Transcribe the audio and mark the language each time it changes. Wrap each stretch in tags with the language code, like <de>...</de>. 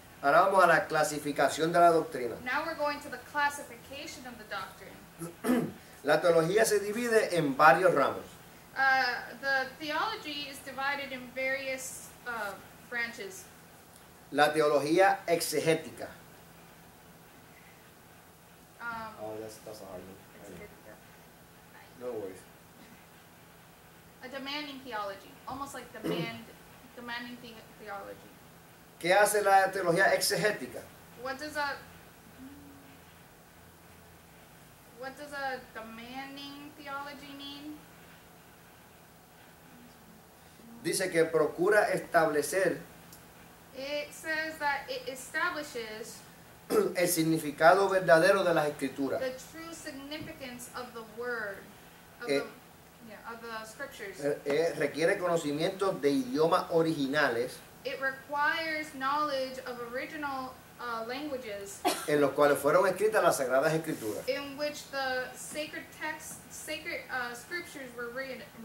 <es>Ahora vamos a la clasificación de la doctrina.</es> <en>Now we're going to the classification of the doctrine.</en> <es>La teología se divide en varios ramos.</es> <en>The theology is divided in various branches.</en> <es>La teología exegética.</es> <en>That's a hard one.</en> <es>Exegética.</es> <en>No worries. A demanding theology. Almost like demanding theology.</en> <es>¿Qué hace la teología exegética?</es> <en>What does a demanding theology mean?</en> <es>Dice que procura establecer.</es> <en>It says that it establishes</en> <es>el significado verdadero de las escrituras.</es> <en>The true significance of the word. Of the scriptures.</en> <es>Requiere conocimiento de idiomas originales.</es> <en>It requires knowledge of original languages</en> <es>en los cuales fueron escritas las sagradas escrituras,</es> <en>in which the sacred texts, scriptures were written.</en>